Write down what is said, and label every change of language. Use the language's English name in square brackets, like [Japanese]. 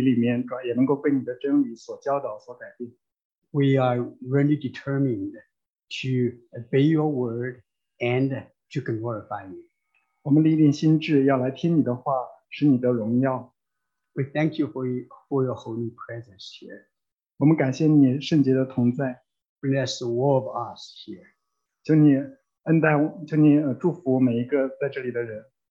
[Chinese] 让我们能够来到你的真理里面,也能够被你的真理所教导,所改变. [English] We are really determined to obey your word and to glorify you. [Chinese] 我们立定心志要来听你的话,使你的荣耀. [English] We thank you for your holy presence here. [Chinese] 我们感谢你圣洁的同在. [English] Bless all of us here. [Chinese] 求你恩待,求你祝福每一个在这里的人.